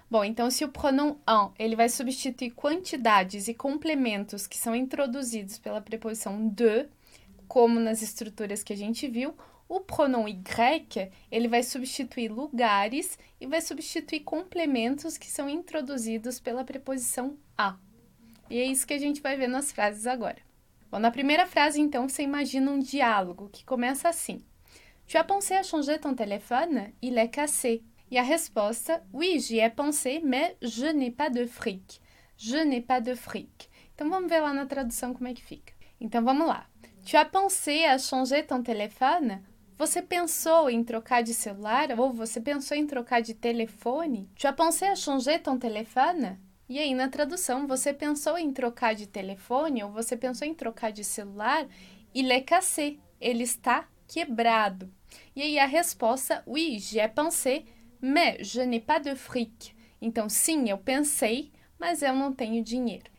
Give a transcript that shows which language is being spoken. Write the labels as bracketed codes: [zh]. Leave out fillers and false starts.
[pt] Bom, então, se o pronom en, ele vai substituir quantidades e complementos que são introduzidos pela preposição de, como nas estruturas que a gente viu, o pronom y, ele vai substituir lugares e vai substituir complementos que são introduzidos pela preposição a. E é isso que a gente vai ver nas frases agora. Bom, na primeira frase, então, você imagina um diálogo que começa assim: [fr] Tu as pensé à changer ton téléphone? Il est cassé. [pt] E a resposta: [fr] Oui, j'y ai pensé, mais je n'ai pas de fric. Je n'ai pas de fric. [pt] Então, vamos ver lá na tradução como é que fica. Então, vamos lá. [fr] Tu as pensé à changer ton téléphone? [pt] Você pensou em trocar de celular? Ou você pensou em trocar de telefone? [fr] Tu as pensé à changer ton téléphone? [pt] E aí, na tradução, você pensou em trocar de telefone ou você pensou em trocar de celular? [fr] Il est cassé, [pt] ele está quebrado. E aí a resposta: [fr] Oui, j'y ai pensé, mais je n'ai pas de fric. [pt] Então, sim, eu pensei, mas eu não tenho dinheiro.